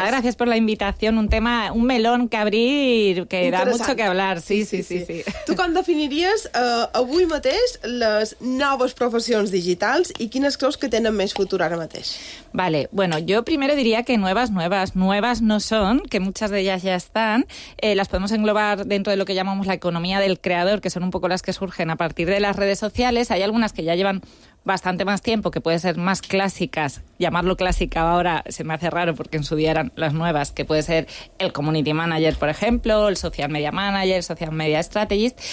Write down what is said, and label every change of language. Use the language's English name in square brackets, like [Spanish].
[Spanish] Gracias por la invitación. Un tema, un melón que abrir, que da mucho que hablar. Sí. [Catalan] Tu com definiries avui mateix les noves professions digitals i quines creus que tenen més futur ara mateix? [Spanish] Vale, bueno, yo primero diría que nuevas no son, que muchas de ellas ya están. Las podemos englobar dentro de lo que llamamos la economía del creador, que son un poco las que surgen a partir de las redes sociales. Hay algunas que ya llevan bastante más tiempo, que puede ser más clásicas. Llamarlo clásica ahora se me hace raro porque en su día eran las nuevas, que puede ser el community manager, por ejemplo, el social media manager, social media strategist.